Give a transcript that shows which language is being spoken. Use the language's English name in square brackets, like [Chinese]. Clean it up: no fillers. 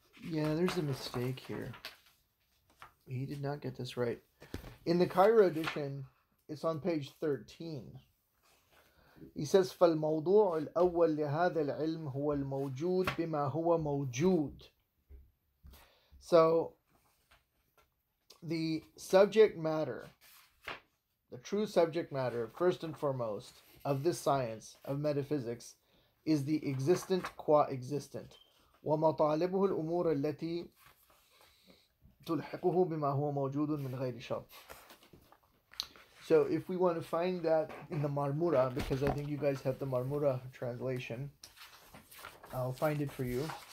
[English] Yeah, there's a mistake here. He did not get this right. In the Cairo edition, it's on page 13. He says, [Arabic] فَالْمَوْضُوعُ الْأَوَّلْ لِهَذَا الْعِلْمِ هُوَ الْمَوْجُودِ بِمَا هُوَ مَوْجُودِ. [English] So, the subject matter, the true subject matter, first and foremost, of this science, of metaphysics, is the existent qua existent. [Arabic] ومطالبه الأمور التي تلحقه بما هو موجود من غير شرط. [English] So if we want to find that in the Marmura, because I think you guys have the Marmura translation, I'll find it for you.